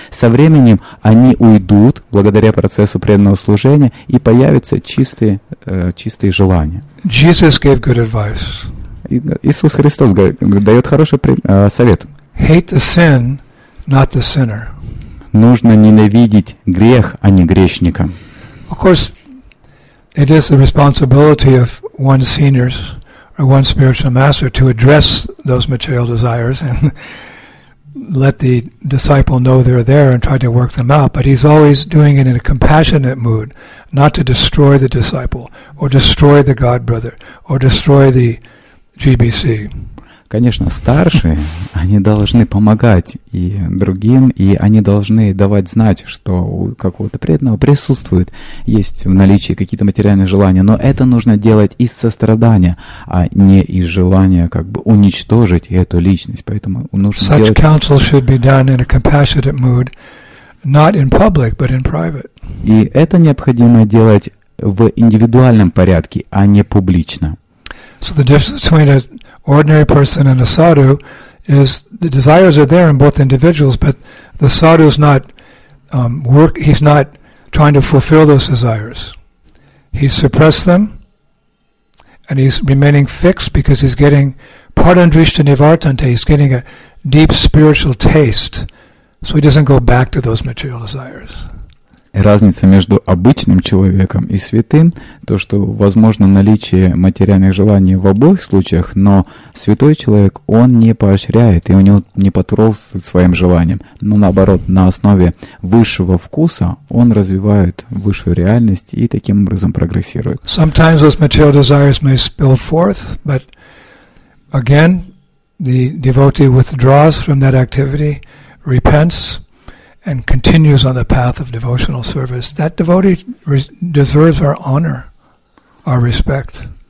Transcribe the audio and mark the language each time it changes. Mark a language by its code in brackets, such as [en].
[ru] Со временем они уйдут, благодаря процессу преданного служения, и появятся чистые желания. [en] Jesus gave good advice. [ru] Иисус Христос дает хороший совет. [en] Hate the sin, not the sinner. [ru] Нужно ненавидеть грех, а не грешника. [en] Of course, it is the responsibility of one seniors or one spiritual master to address those material desires and let the disciple know they're there and try to work them out, but he's always doing it in a compassionate mood, not to destroy the disciple, or destroy the God-brother, or destroy the GBC. [ru] Конечно, старшие, они должны помогать и другим, и они должны давать знать, что у какого-то преданного присутствует, есть в наличии какие-то материальные желания, но это нужно делать из сострадания, а не из желания как бы уничтожить эту личность, поэтому нужно [en] Such [ru] делать... [en] Such counsel should be done in a compassionate mood, not in public, but in private. [ru] И это необходимо делать в индивидуальном порядке, а не публично. [en] So the difference between a ordinary person and a sadhu is the desires are there in both individuals, but the sadhu is not work. He's not trying to fulfill those desires. He's suppressed them, and he's remaining fixed because he's getting [sa] pardon drishta nivartante. [en] He's getting a deep spiritual taste, so he doesn't go back to those material desires. [ru] Разница между обычным человеком и святым, то, что возможно наличие материальных желаний в обоих случаях, но святой человек, он не поощряет, и у него не потворствует своим желаниям. Но наоборот, на основе высшего вкуса он развивает высшую реальность и таким образом прогрессирует. [en] Sometimes those material desires may spill forth, but again, the devotee withdraws from that activity, repents, and continues on the path of devotional service, that devotee deserves our honor, our respect.